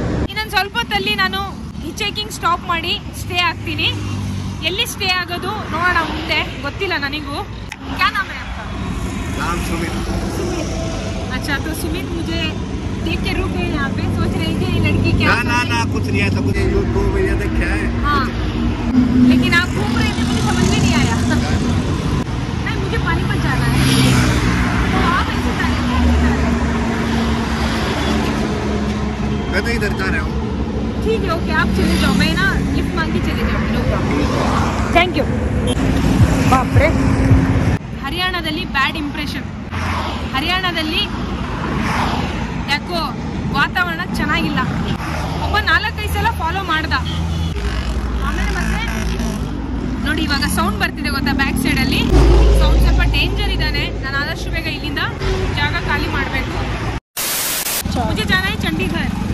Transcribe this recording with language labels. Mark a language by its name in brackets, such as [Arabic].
[Kannada] ಇನ್ನ ಸ್ವಲ್ಪತ್ತಲ್ಲಿ ನಾನು hitch hiking stop ಮಾಡಿ ಸ್ಟೇ ಆಗ್ತೀನಿ ಎಲ್ಲಿ ಸ್ಟೇ ಆಗೋದು ನೋಡಣ ಮುಂದೆ ಗೊತ್ತಿಲ್ಲ ನನಗೂ [Hindi] ಕ್ಯಾ ನಾಮ ಹೈ ಆಪ್ಕಾ ನಾಮ ಸುಮಿತ್ ಸುಮಿತ್ ಅಚ್ಚಾ ತೋ ಸುಮಿತ್ ಮುಜೆ देख के रुक गए यहाँ पे सोच रहे थे ये लड़की क्या ना कुछ नहीं आता कुछ YouTube या तो क्या है हाँ लेकिन आप घूम रहे थे मुझे समझ में नहीं आया नहीं मुझे पानी पर जाना है तो आप ऐसे जा रहे हो मैं तो इधर जा रहा हूँ ठीक है ओके आप चले जाओ मैं ना लिफ्ट मांग के चले जाऊँगी थैंक यू बाप रे [Kannada] हरियाणा [English] bad impression [Kannada] हरियाणा ಯಾಕೋ ವಾತಾವರಣ ಚೆನ್ನಾಗಿಲ್ಲ ಒಬ್ಬ ನಾಲ್ಕು ಐದು ಸಲ ಫಾಲೋ ಮಾಡಿದ ಆಮೇಲೆ ಮತ್ತೆ ನೋಡಿ ಇವಾಗ ಸೌಂಡ್ ಬರ್ತಿದೆ ಗೊತ್ತಾ ಬ್ಯಾಕ್ ಸೈಡ್ ಅಲ್ಲಿ ಸೌಂಡ್ ಸ್ವಲ್ಪ ಡೇಂಜರ್ ಇದಾನೆ ನಾನು ಆದಷ್ಟು ಬೇಗ ಇಲ್ಲಿಂದ ಜಾಗ ಖಾಲಿ ಮಾಡಬೇಕು [Hindi] ಮುಜೆ ಜಾನಾ ಹೈ ಚಂಡೀಗಢ